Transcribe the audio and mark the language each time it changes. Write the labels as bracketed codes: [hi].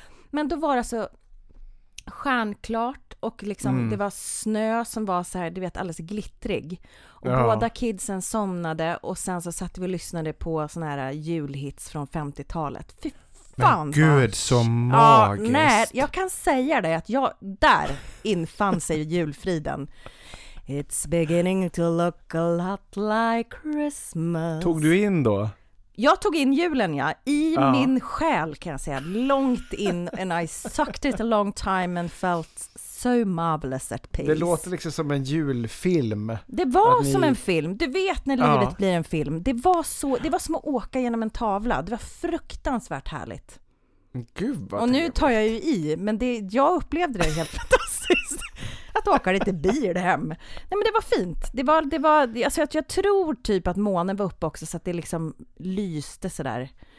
[sv] Men då var det så stjärnklart och liksom det var snö som var så här, du vet, alldeles glittrig. Och båda kidsen somnade och sen så satt vi och lyssnade på sån här julhits från 50-talet. Fy fan! Men gud, så magiskt! Ja, nej, jag kan säga det att jag, där infann sig julfriden. [en] It's beginning to look a lot like Christmas. [sv] Tog du in då? Jag tog in julen, ja. I min själ, kan jag säga. Långt in. [en] And I sucked it a long time and felt so marvelous at peace. [sv] Det låter liksom som en julfilm. Det var som en film. Du vet när livet blir en film. Det var som att åka genom en tavla. Det var fruktansvärt härligt. Gud, vad och nu tar jag ju i. Men det, jag upplevde det helt fantastiskt. Att åka lite bil hem. Nej, men det var fint. Det var, alltså jag tror typ att månen var uppe också så att det liksom lyste så där.